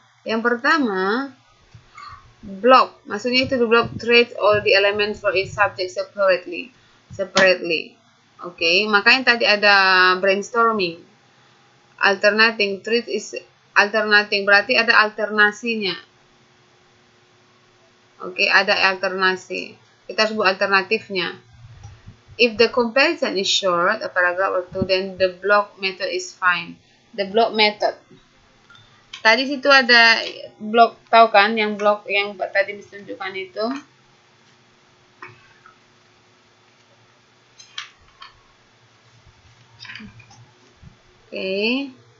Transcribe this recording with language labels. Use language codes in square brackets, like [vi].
[id] Yang pertama, [en] block. [id] Maksudnya itu [en] block traits all the elements for each subject separately. Separately. Oke, okay. [id] Makanya tadi ada brainstorming. [en] Alternating traits is alternating. [id] Berarti ada alternasinya. Oke, okay. Ada alternasi. Kita sebut alternatifnya. [en] If the comparison is short, a paragraph or two, then the block method is fine. The block method. [id] Tadi situ ada blok, tahu kan yang blok yang tadi ditunjukkan itu? Oke. Okay.